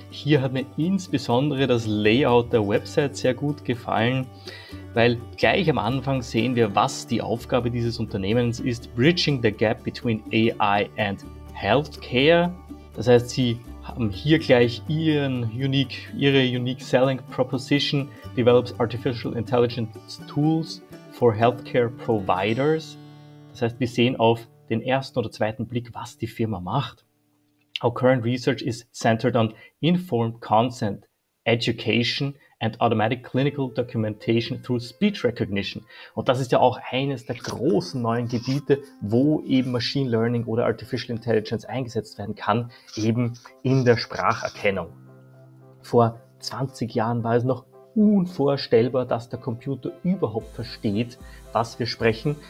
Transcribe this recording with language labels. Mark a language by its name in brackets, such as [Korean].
[German] Hier hat mir insbesondere das Layout der Website sehr gut gefallen, weil gleich am Anfang sehen wir, was die Aufgabe dieses Unternehmens ist: [English] Bridging the gap between AI and healthcare. [German] Das heißt, sie haben hier gleich ihre [English] unique selling proposition, develops artificial intelligence tools for healthcare providers. [German] Das heißt, wir sehen auf den ersten oder zweiten Blick, was die Firma macht. [English] Our current research is centered on informed consent, education and automatic clinical documentation through speech recognition. [German] Und das ist ja auch eines der großen neuen Gebiete, wo eben Machine Learning oder Artificial Intelligence eingesetzt werden kann, eben in der Spracherkennung. Vor 20 Jahren war es noch unvorstellbar, dass der Computer überhaupt versteht, was wir sprechen.